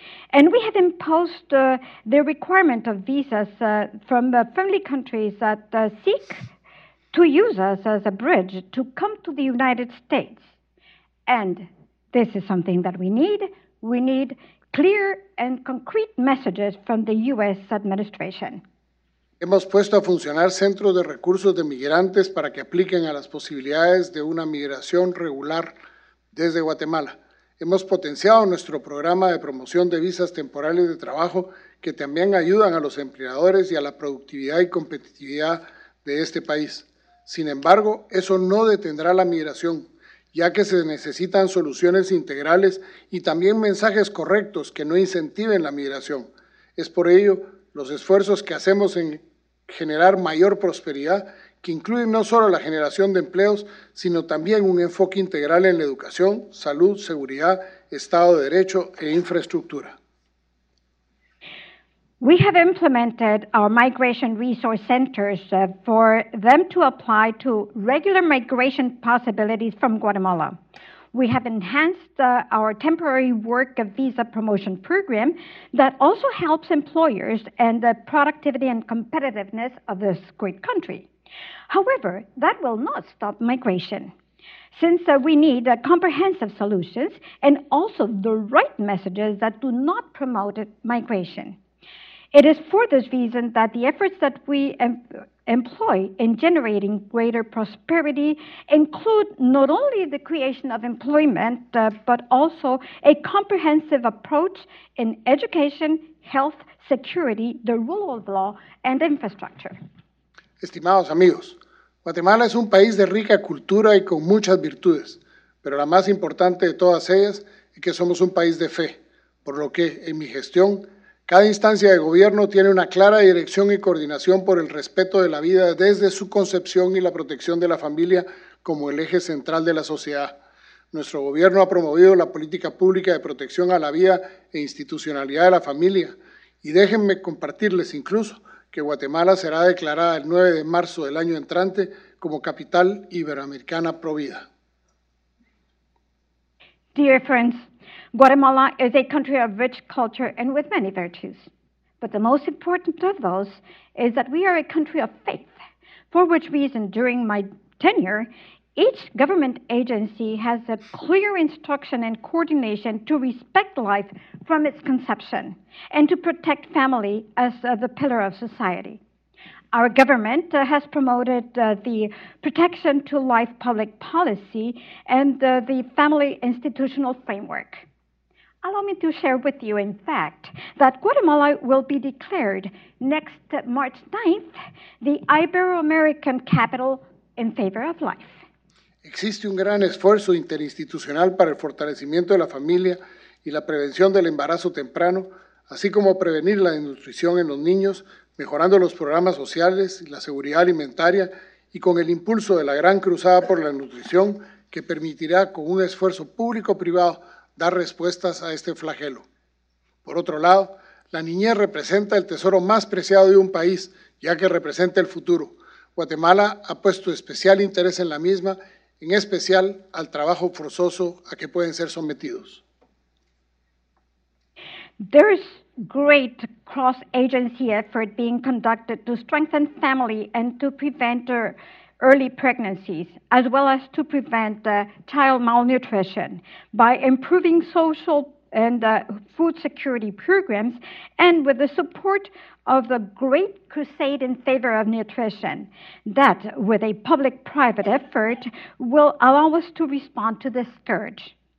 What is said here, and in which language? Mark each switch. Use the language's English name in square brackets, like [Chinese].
[English] And we have imposed the requirement of visas from friendly countries that seek to use us as a bridge to come to the United States. And this is something that we need. We need clear and concrete messages from the U.S. administration. [Spanish] Hemos puesto a funcionar centros de recursos de migrantes para que apliquen a las posibilidades de una migración regular desde Guatemala. Hemos potenciado nuestro programa de promoción de visas temporales de trabajo que también ayudan a los empleadores y a la productividad y competitividad de este país. Sin embargo, eso no detendrá la migración, ya que se necesitan soluciones integrales y también mensajes correctos que no incentiven la migración. Es por ello los esfuerzos que hacemos en generar mayor prosperidad, que incluyen no solo la generación de empleos, sino también un enfoque integral en la educación, salud, seguridad, Estado de Derecho e infraestructura. [English] We have implemented our migration resource centers for them to apply to regular migration possibilities from Guatemala. We have enhanced our temporary work visa promotion program that also helps employers and the productivity and competitiveness of this great country. However, that will not stop migration, since we need comprehensive solutions and also the right messages that do not promote migration. It is for this reason that the efforts that we employ in generating greater prosperity include not only the creation of employment, but also a comprehensive approach in education, health, security, the rule of law, and infrastructure. [Spanish] Estimados amigos, Guatemala es un país de rica cultura y con muchas virtudes, pero la más importante de todas ellas es que somos un país de fe, por lo que en mi gestión, cada instancia de gobierno tiene una clara dirección y coordinación por el respeto de la vida desde su concepción y la protección de la familia como el eje central de la sociedad. Nuestro gobierno ha promovido la política pública de protección a la vida e institucionalidad de la familia. Y déjenme compartirles incluso que Guatemala será declarada el 9 de marzo del año entrante como capital iberoamericana pro vida. [English] Dear friends, Guatemala is a country of rich culture and with many virtues. But the most important of those is that we are a country of faith, for which reason, during my tenure, each government agency has a clear instruction and coordination to respect life from its conception and to protect family as the pillar of society. Our government has promoted the protection to life public policy and the family institutional framework. Allow me to share with you, in fact, that Guatemala will be declared next March 9th the Ibero-American capital in favor of life. [Spanish] Existe un gran esfuerzo interinstitucional para el fortalecimiento de la familia y la prevención del embarazo temprano, así como prevenir la desnutrición en los niños, mejorando los programas sociales, la seguridad alimentaria y con el impulso de la Gran Cruzada por la Nutrición, que permitirá con un esfuerzo público-privado dar respuestas a este flagelo. Por otro lado, la niñez representa el tesoro más preciado de un país, ya que representa el futuro. Guatemala ha puesto especial interés en la misma, en especial al trabajo forzoso a que pueden ser sometidos. [English] There is great cross-agency effort being conducted to strengthen family and to prevent early pregnancies, as well as to prevent child malnutrition by improving social and food security programs and with the support of the Great Crusade in Favor of Nutrition that, with a public-private effort, will allow us to respond to this scourge.